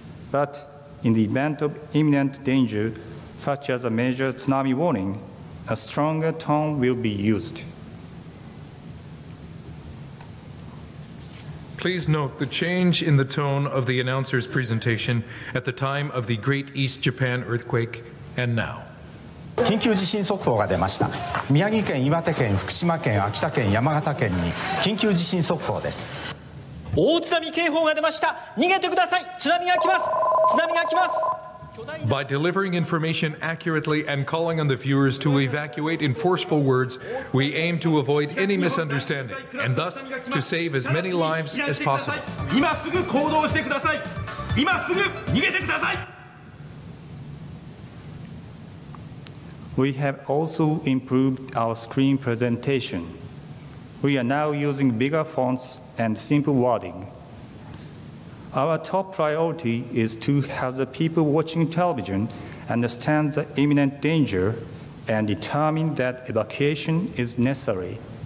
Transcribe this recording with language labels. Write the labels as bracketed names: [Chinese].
[English] But in the event of imminent danger, such as a major tsunami warning, a stronger tone will be used. Please note the change in the tone of the announcer's presentation at the time of the Great East Japan earthquake and now. [Japanese] 緊急地震速報が出ました。宮城県、岩手県、福島県、秋田県、山形県に緊急地震速報です。大津波警報が出ました。逃げてください。津波が来ます。津波が来ます。 [English] By delivering information accurately and calling on the viewers to evacuate in forceful words, we aim to avoid any misunderstanding and thus to save as many lives as possible. [Japanese] 今すぐ行動してください。今すぐ逃げてください。 [English] We have also improved our screen presentation. We are now using bigger fonts and simple wording. Our top priority is to have the people watching television understand the imminent danger and determine that evacuation is necessary.